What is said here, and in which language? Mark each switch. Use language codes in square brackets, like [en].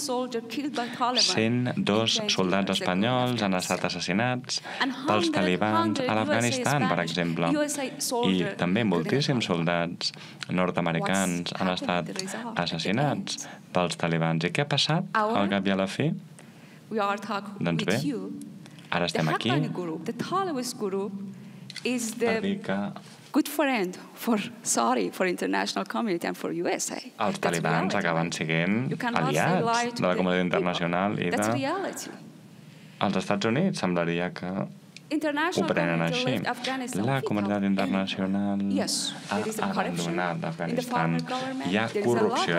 [ca] 102 soldats espanyols han estat assassinats pels talibans a l'Afganistan, per exemple. I també moltíssims soldats nord-americans han estat assassinats pels talibans. I què ha passat al cap i a la fi? Doncs bé, ara estem aquí. [en] The Taliban group is the good friend for, sorry, for international community and for USA. [ca] Els talibans acaben siguent aliats de la comunitat internacional i de... Els Estats Units semblaria que ho prenen així. La comunitat internacional ha abandonat l'Afganistan. Hi ha corrupció.